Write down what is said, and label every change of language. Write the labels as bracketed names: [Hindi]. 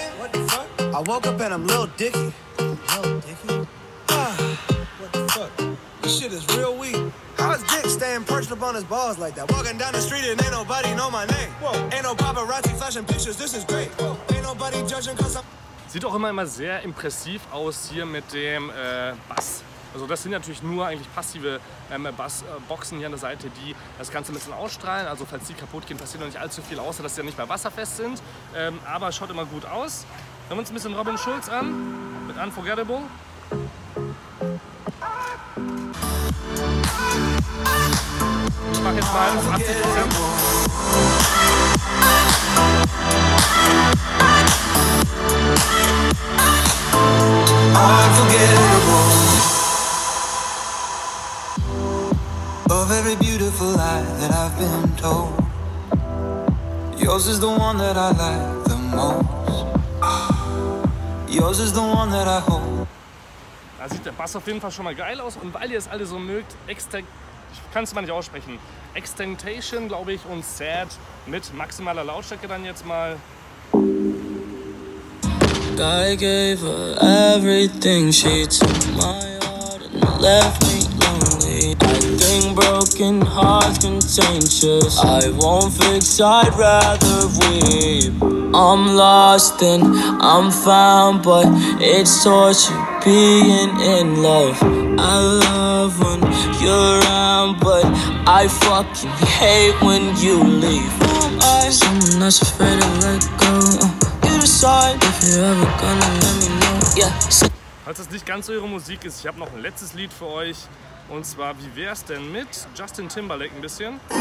[English] What the fuck? I woke up and I'm Lil Dicky. Lil Dicky? What the fuck? This shit is real weak. How is Dick staying perched up on his balls like that? Walking down the street and ain't nobody know my name. Whoa. Ain't no paparazzi flashing pictures, this is great. Whoa. Ain't nobody judging cause I'm... [German] Sieht auch immer sehr impressiv aus hier mit dem Bass. Also das sind natürlich nur eigentlich passive Bassboxen hier an der Seite, die das Ganze ein bisschen ausstrahlen. Also falls die kaputt gehen, passiert noch nicht allzu viel, außer dass sie ja nicht mehr wasserfest sind. Aber schaut immer gut aus. Hören wir uns ein bisschen Robin Schulz an mit Unforgettable. Ich mache jetzt mal 80%. [English] Of every beautiful lie that I've been told, yours is the one that I like the most. Yours is the one that I hold. [German] Da sieht der Bass auf jeden Fall schon mal geil aus. Und weil ihr es alle so mögt, ich kann es mal nicht aussprechen. Extentation, glaube ich, und Sad mit maximaler Lautstärke dann jetzt mal. [English] I gave her everything, she took my heart and left me lonely. I think broken hearts contagious. I won't fix, I'd rather weep. I'm lost and I'm found, but it's torture being in love. I love when you're around, but I fucking hate when you leave. Someone that's afraid to let go. [German] Falls das nicht ganz so eure Musik ist, ich habe noch ein letztes Lied für euch. Und zwar, wie wär's denn mit Justin Timberlake ein bisschen?